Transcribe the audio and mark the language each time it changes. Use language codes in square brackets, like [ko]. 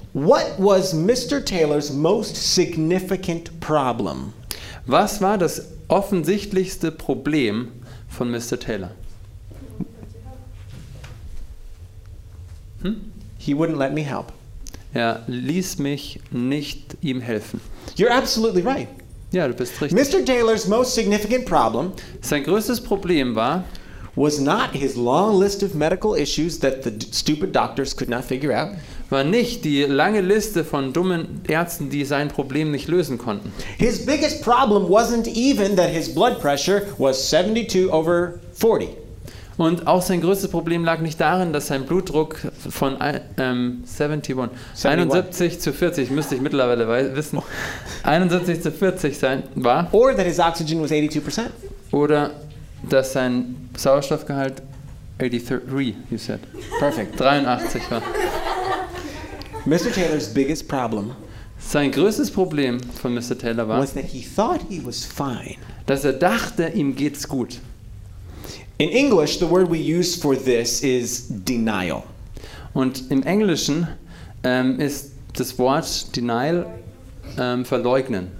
[en] What was Mr. Taylor's most significant problem? [de] Was war das offensichtlichste Problem von Mr. Taylor? [en] He wouldn't let me help. [de] Er ließ mich nicht ihm helfen. [en] You're absolutely right. [de] Ja, du bist richtig. [en] Mr. Taylor's most significant problem, [de] sein größtes Problem war, [en] was not his long list of medical issues that the stupid doctors could not figure out. [de] War nicht die lange Liste von dummen Ärzten, die sein Problem nicht lösen konnten. [en] His biggest problem wasn't even that his blood pressure was 72 over 40. [de] Und auch sein größtes Problem lag nicht darin, dass sein Blutdruck von 71 zu 40, müsste ich mittlerweile wissen, 71 zu 40 sein war. [en] Or that his oxygen was 82%. [de] Oder dass sein Sauerstoffgehalt 83, [en] you said. Perfect. [de] 83 war. [en] Mr. Taylor's biggest problem. [de] Sein größtes Problem von Mr. Taylor war, [en] was that he thought he was fine. [de] Dass er dachte, ihm geht's gut. [en] In English, the word we use for this is denial. [de] Und im Englischen ist das Wort denial verleugnen.